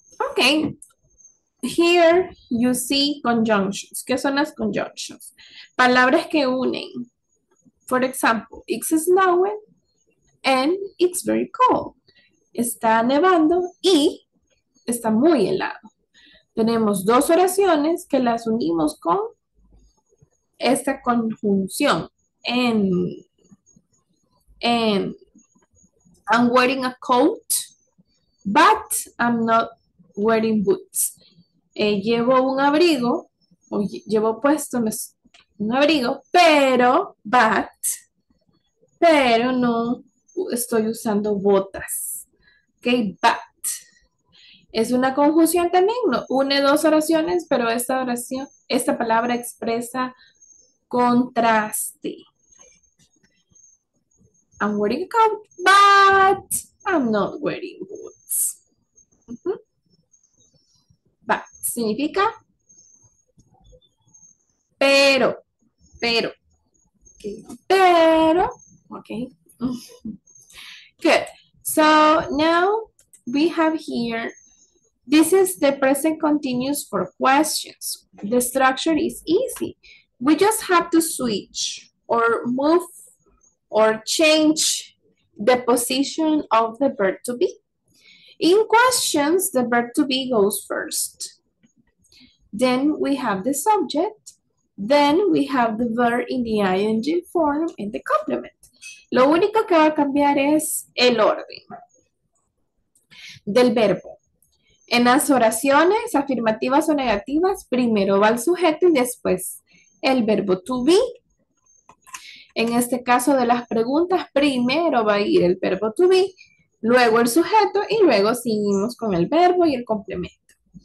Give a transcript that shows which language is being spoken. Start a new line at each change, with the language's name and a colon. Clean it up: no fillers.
English: Okay, here you see conjunctions.
Spanish: ¿Qué son las conjunctions? Palabras que unen.
English: For example, it's snowing and it's very cold.
Spanish: Está nevando y está muy helado. Tenemos dos oraciones que las unimos con esta conjunción.
English: And I'm wearing a coat, but I'm not wearing boots.
Spanish: Llevo un abrigo, o llevo puesto un abrigo, pero no estoy usando botas. Okay, but. Es una conjunción también, ¿no? Une dos oraciones, pero esta oración, esta palabra expresa contraste.
English: I'm wearing a coat, but I'm not wearing boots.
Spanish: Significa, pero, okay. Good.
English: So now we have here, this is the present continuous for questions. The structure is easy. We just have to switch or move or change the position of the verb to be. In questions, the verb to be goes first. Then we have the subject, then we have the verb in the ing form and the complement.
Spanish: Lo único que va a cambiar es el orden del verbo. En las oraciones afirmativas o negativas, primero va el sujeto y después el verbo to be. En este caso de las preguntas, primero va a ir el verbo to be, luego el sujeto y luego seguimos con el verbo y el complemento.